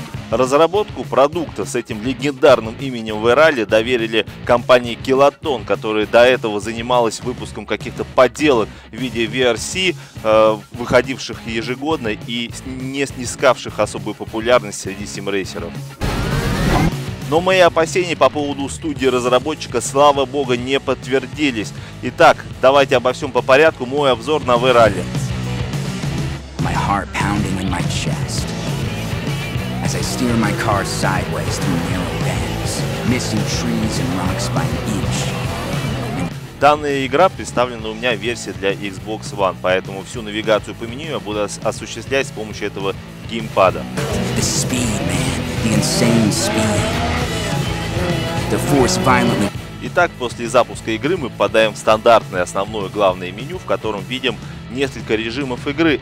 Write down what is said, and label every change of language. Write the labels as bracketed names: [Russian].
[Russian] Разработку продукта с этим легендарным именем V-Rally доверили компании Kiloton, которая до этого занималась выпуском каких-то подделок в виде VRC, выходивших ежегодно и не снискавших особую популярность среди симрейсеров. Но мои опасения по поводу студии-разработчика, слава богу, не подтвердились. Итак, давайте обо всем по порядку. Мой обзор на V-Rally. [English] My heart pounding in my chest. As I steer my car sideways through narrow bends, missing trees and rocks by an inch. [Russian] Данная игра представлена у меня в версии для Xbox One, поэтому всю навигацию по меню я буду осуществлять с помощью этого геймпада. [English] The speed, man. The insane speed. The force violently. [Russian] Итак, после запуска игры мы попадаем в стандартное основное главное меню, в котором видим несколько режимов игры.